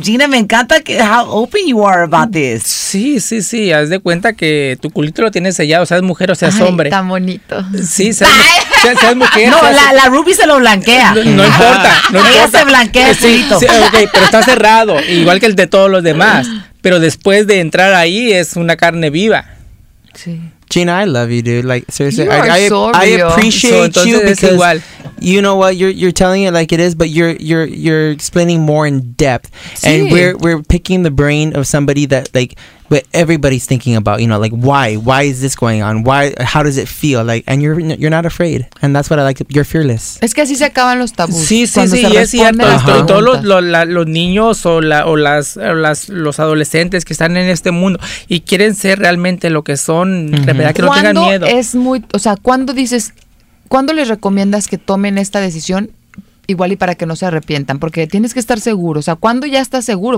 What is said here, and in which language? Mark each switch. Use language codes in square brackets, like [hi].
[en] Gina, [es] me encanta que, [en] how open you are about this. [es] Sí, sí, sí. Haz de cuenta que tu culito lo tienes sellado, seas mujer o seas hombre. Tan bonito. Sí, seas mujer. No, la Ruby se lo blanquea. No, no importa. No ella importa. Se blanquea sí, el culito. Sí, ok, pero está cerrado, igual que el de todos los demás. Pero después de entrar ahí, es una carne viva. [en] Sí. Gina, I love you, dude. Like, seriously, I appreciate you because you know what you're telling it like it is, but you're explaining more in depth, and we're picking the brain of somebody that like what everybody's thinking about. You know, like why is this going on? Why? How does it feel? Like, and you're not afraid, and that's what I like. You're fearless. [es] Es que así se acaban los tabús. Sí, sí, sí. Y es cierto. Todos los niños o los adolescentes que están en este mundo y quieren ser realmente lo que son. Verdad, que no tengan miedo. Es muy, o sea, cuando dices, ¿cuándo les recomiendas que tomen esta decisión? Igual y para que no se arrepientan, porque tienes que estar seguro. O sea, ¿cuándo ya estás seguro?